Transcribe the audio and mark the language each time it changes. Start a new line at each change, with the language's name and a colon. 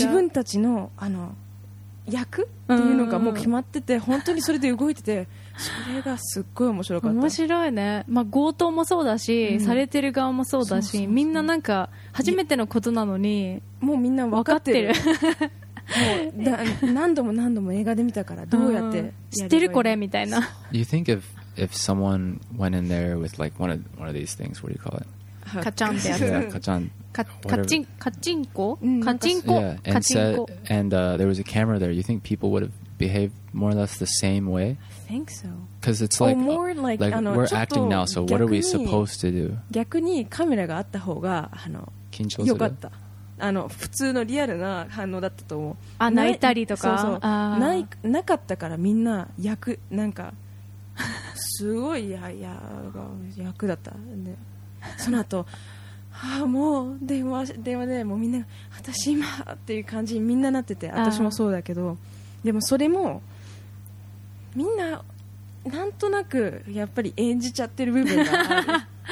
Japanese: 自分たちのあの役っていうのがもう決まってて本当にそれで動いててそれがすっごい面白かった。面白いね。まあ強盗もそうだし、うん、されてる側もそうだし、みんななんか初めてのことなのにもうみんな分かってる。もう何度も何度も映画で見たからどうやって知ってるこれみたいな。
English: Do you think if someone went in there with like one of these things, what do you call it?
Japanese: カチャンってやつ。 Yeah, カチャン。カチンコ？カチンコ？カチンコ？
English: And, said, and there was a camera there. You think people would have behaved more or less the same way? I think so. Because it's like, more like we're acting now, so what are we supposed to do?
Japanese: 逆にカメラがあった方が緊張する。よかった。あの普通のリアルな反応だったと思う。あ、泣いたりとか。そうそう、あ、なかったからみんな役なんかすごい役だったんで、その後あもう電話でもうみんな私今っていう感じにみんななってて、私もそうだけど、でもそれもみんななんとなくやっぱり演じちゃってる部分がある。